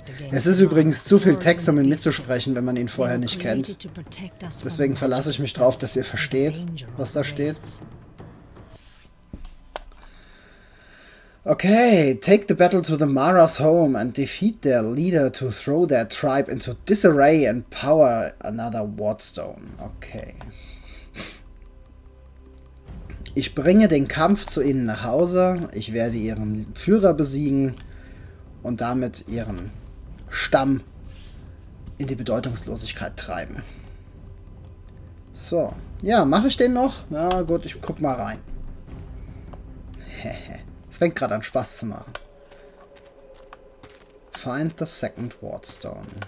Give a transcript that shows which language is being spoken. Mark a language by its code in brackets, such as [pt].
[de] Es ist übrigens zu viel Text, um ihn mitzusprechen, wenn man ihn vorher nicht kennt. Deswegen verlasse ich mich drauf, dass ihr versteht, was da steht. [en] Okay, take the battle to the Mara's home and defeat their leader to throw their tribe into disarray and power another Wardstone. Okay. [de] Ich bringe den Kampf zu ihnen nach Hause, ich werde ihren Führer besiegen und damit ihren Stamm in die Bedeutungslosigkeit treiben. So, ja, mache ich den noch? Na gut, ich guck mal rein. Hehe. Es fängt gerade an, Spaß zu machen. [en] Find the second Wardstone.